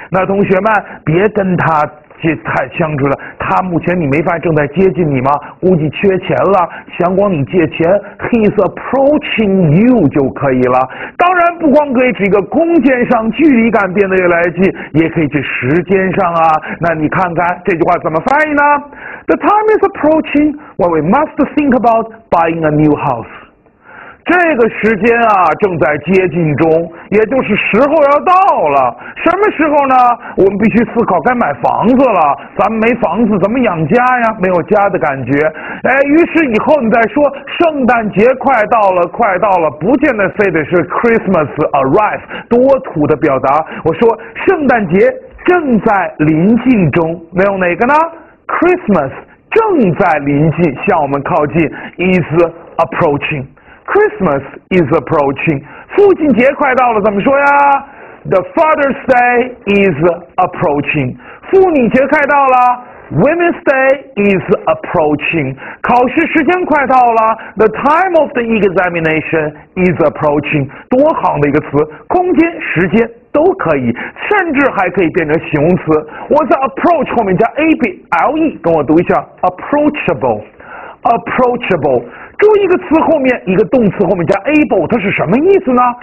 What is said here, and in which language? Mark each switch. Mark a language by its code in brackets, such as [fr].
[zh] 那同学们，别跟他太相处了，他目前你没发现正在接近你吗？估计缺钱了，想管你借钱。 [en] He's approaching you [zh] 就可以了。当然，不光可以指一个空间上距离感变得越来越近，也可以指时间上啊。那你看看这句话怎么翻译呢 [en] ？The time is approaching when we must think about buying a new house。 [zh] 这个时间啊正在接近中，也就是时候要到了。什么时候呢？我们必须思考该买房子了。咱们没房子怎么养家呀？没有家的感觉。哎，于是以后你再说圣诞节快到了，快到了，不见得非得是 [en] Christmas arrive， [zh] 多土的表达。我说圣诞节正在临近中，没有哪个呢？ Christmas 正在临近，向我们靠近， [en] is approaching。 Christmas is approaching. [zh] 父亲节快到了，怎么说呀？ [en] The Father's Day is approaching. [zh] 妇女节快到了， [en] Women's Day is approaching. [zh] 考试时间快到了， [en] The time of the examination is approaching. [zh] 多好的一个词，空间、时间都可以，甚至还可以变成形容词。我在 approach 后面加 able， 跟我读一下 approachable。说一个词后面一个动词后面加 able， 它是什么意思呢？